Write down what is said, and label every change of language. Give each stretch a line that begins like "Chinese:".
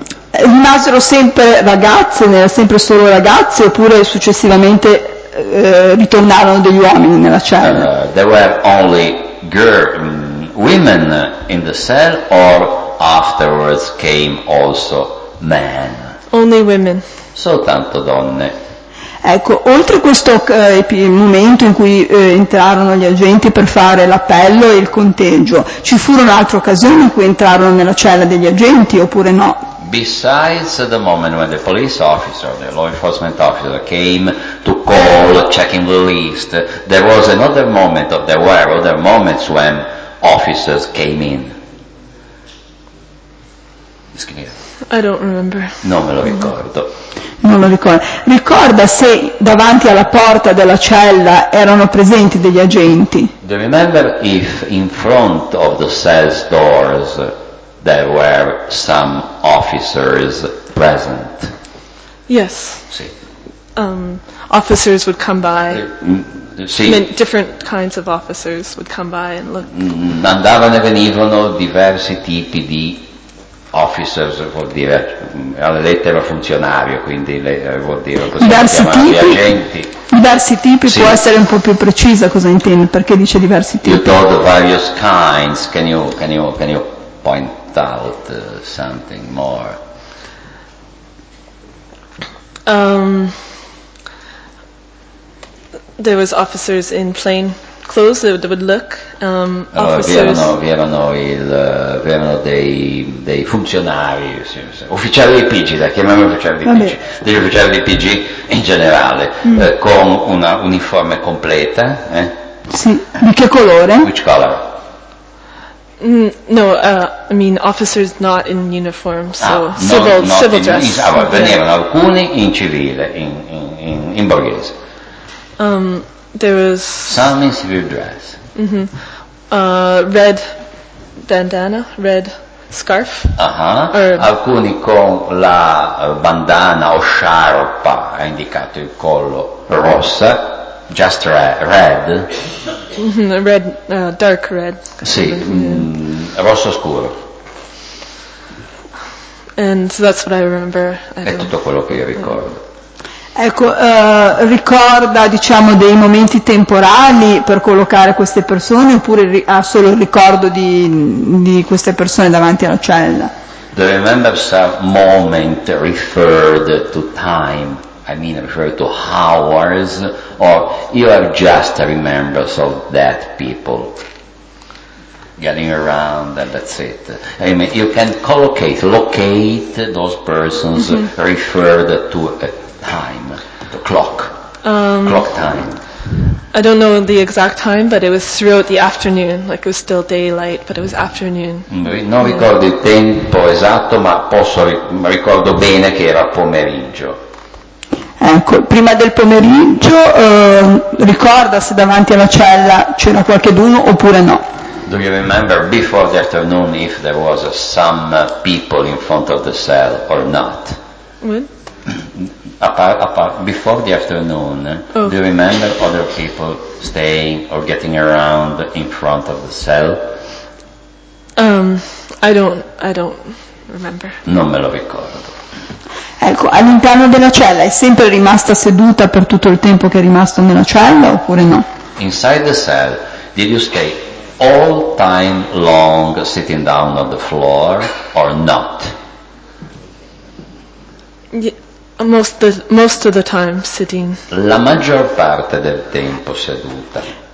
Italian: Rimasero sempre ragazze, sempre solo ragazze, oppure successivamente ritornarono degli uomini nella cella?
English: There were only women in the cell, or afterwards came also men? Only women.
Italian: Soltanto donne. Ecco, oltre a questo momento in cui entrarono gli agenti per fare l'appello e il conteggio, ci furono altre occasioni in cui entrarono nella cella degli agenti, oppure no?
English: Besides the moment when the police officer, the law enforcement officer, came to call, checking the list, there was another moment, or there were other moments when officers came in. I don't remember.
Italian: Non me lo ricordo. Non lo ricordo. Ricorda se davanti alla porta della cella erano presenti degli agenti?
English: Do you remember if in front of the cell's doors there were some officers present? Yes.
Italian: Sì.
English: Officers would come by.
Italian: Sì.
English: Different kinds of officers would come by and look.
Italian: Andavano e venivano diversi tipi di officers, vuol dire alla lettera funzionario, quindi vuol dire così. Diversi tipi. Agenti. Diversi tipi, sì. Può essere un po' più precisa cosa intende, perché dice diversi tipi.
English: You told various kinds. Can you point out something more? There was officers in plain clothes that would look.
Italian: Vi erano dei funzionari, ufficiali di PG, chiamiamoli ufficiali di PG, degli ufficiali di PG in generale, con una uniforme completa. Sì. Di che colore?
English: Which color? No, I mean officers not in uniform, so civil dress.
Italian: Venivano alcuni in civile, in borghese.
English: There was some in civil dress. Mm-hmm. Red bandana, red scarf.
Italian: Alcuni con la bandana o sciarpa, ha indicato il collo, rossa,
English: just red. Red, dark red.
Italian: Sì, rosso scuro.
English: And so that's what I remember.
Italian: È tutto quello che io ricordo. Ecco, ricorda, diciamo, dei momenti temporali per collocare queste persone, oppure ha solo il ricordo di queste persone davanti alla cella?
English: Do you remember some moment referred to time? I mean referred to hours? Or you are just a remembrance of that people getting around and that's it? I mean, you can locate those persons, mm-hmm, referred to time, the clock, clock time. I don't know the exact time, but it was throughout the afternoon, like it was still daylight, but it was afternoon.
Italian: Non ricordo il tempo esatto, ma ricordo bene che era pomeriggio. Ecco, prima del pomeriggio, ricorda se davanti alla cella c'era qualcheduno oppure no?
English: Do you remember before the afternoon if there was some people in front of the cell or not? What? Before the afternoon, do you remember other people staying or getting around in front of the cell? I don't remember.
Italian: Non me lo ricordo. Ecco, all'interno della cella è sempre rimasta seduta per tutto il tempo che è rimasto nella cella, oppure no?
English: Inside the cell, did you stay all time long sitting down on the floor or not? Most of the time sitting.
Italian: La maggior parte del tempo seduta.